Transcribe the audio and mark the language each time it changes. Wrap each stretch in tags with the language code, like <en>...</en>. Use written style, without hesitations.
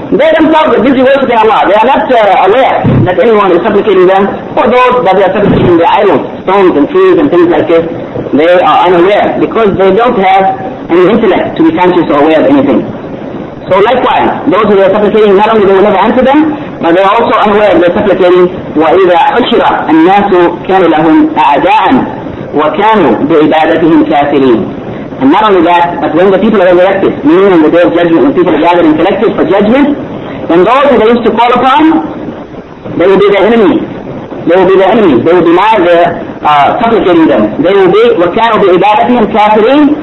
<en>They themselves are busy worshipping Allah. They are not aware that anyone is supplicating them, or those that they are supplicating the idols, stones and trees and things like this. They are unaware because they don't have any intellect to be conscious or aware of anything. So likewise, those who they are supplicating, not only they will never answer them, but they are also unaware of their supplicating.</en> <ar>وَإِذَا حُشِرَ النَّاسُ كَانُ لَهُمْ أَعْدَاءً. وكانوا بعبادتهم كافرين.</ar> <en>And not only that, but when the people are elected, meaning on the day of judgment, when people are gathered and collected for judgment, then those who they used to call upon, they will be their enemy. They will be their enemy. They will deny their supplicating them. They will be</en> <ar>وَكَانُوا بِعِبَادَتِهِمْ كَافِرِينَ.</ar>